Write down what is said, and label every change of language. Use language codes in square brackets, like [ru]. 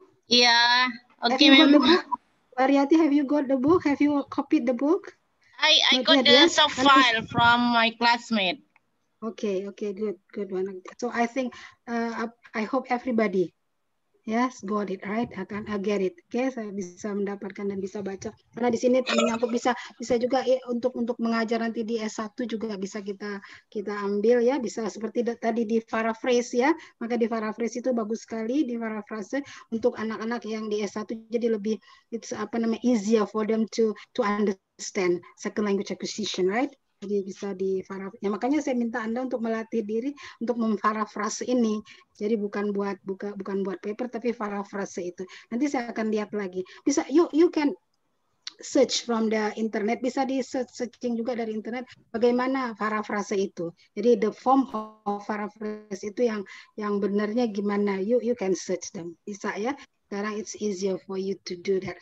[en] Yeah. Okay, ma'am. Waryati, have you got the book? Have you copied the book? I got yet, the yes? soft file from my classmate. Okay, good one. So I think, I hope everybody, yes, got it, right? I get it. [id] Okay, saya bisa mendapatkan dan bisa baca. Karena di sini menyangkut bisa juga untuk mengajar nanti di S1 juga bisa kita ambil ya. Bisa seperti tadi di paraphrase ya. Maka di paraphrase itu bagus sekali di paraphrase untuk anak-anak yang di S1 jadi lebih it's apa namanya easier for them to understand second language acquisition, right? Jadi bisa di ya makanya saya minta Anda untuk melatih diri untuk memparafrase ini. Jadi bukan buat paper tapi parafrase itu. Nanti saya akan lihat lagi. Bisa you can search from the internet, bisa di searching juga dari internet bagaimana parafrase itu. Jadi the form of parafrase itu yang benarnya gimana? [en] You can search them. Bisa ya. Sekarang it's easier for you to do that.